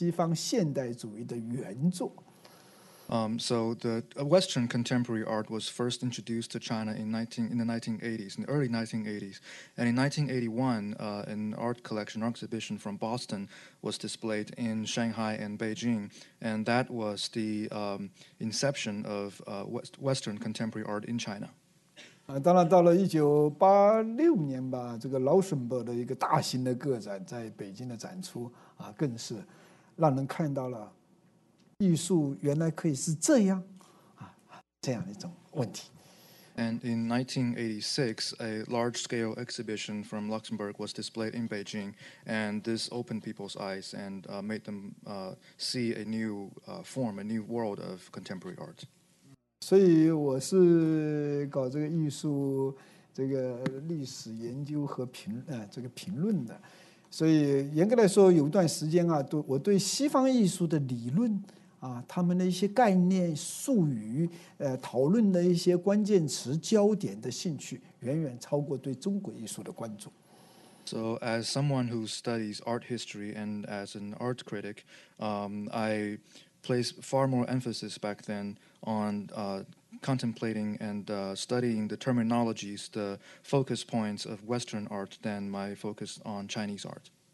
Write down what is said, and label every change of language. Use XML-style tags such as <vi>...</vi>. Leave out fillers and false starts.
<zh>从1980年代初，可以说进入中国。我想举的例子就是1981年来自波士顿的这个艺术藏品，在中国的上海、北京几个地方展出，可以说是让中国艺术家第一次看到了西方现代主义的原作。</zh> <en>So the Western contemporary art was first introduced to China in the early 1980s. And in 1981, an art collection, art exhibition from Boston was displayed in Shanghai and Beijing. And that was the inception of Western contemporary art in China.</en> <zh>当然到了1986年吧，这个劳什伯的一个大型的个展在北京的展出，更是让人看到了。艺术原来可以是这样，这样的一种问题。</zh> <en>And in 1986, a large-scale exhibition from Luxembourg was displayed in Beijing, and this opened people's eyes and made them see a new form, a new world of contemporary art.</en> <zh>所以我是搞这个艺术、这个历史研究和评论的。所以严格来说有一段时间啊，我对西方艺术的理论啊，他们的一些概念术语讨论的一些关键词焦点的兴趣远远超过对中国艺术的关注。</zh> <en>So as someone who studies art history and as an art critic, I place far more emphasis back then on contemplating and studying the terminologies, the focus points of Western art than my focus on Chinese art.</en>